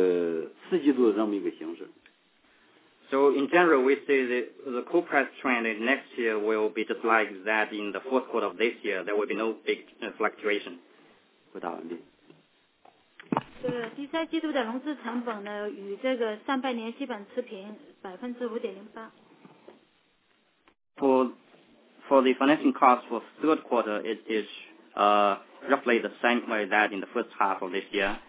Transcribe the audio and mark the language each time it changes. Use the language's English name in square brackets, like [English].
[Chinese] 这个我们这个认为呢，因为明年的煤价呢，不会有大的波动，也就是说不会有大的上升，它的基本面呢还会延续今年的一个这个四季度的这么一个形式。 [English] So in general, we say the coal price trend in next year will be just like that in the fourth quarter of this year. There will be no big fluctuation. [Chinese] 回答完毕。第三季度的融资成本呢，与这个上半年基本持平，5.08%。 [English] For the financing cost for third quarter, it is roughly the same way that in the first half of this year.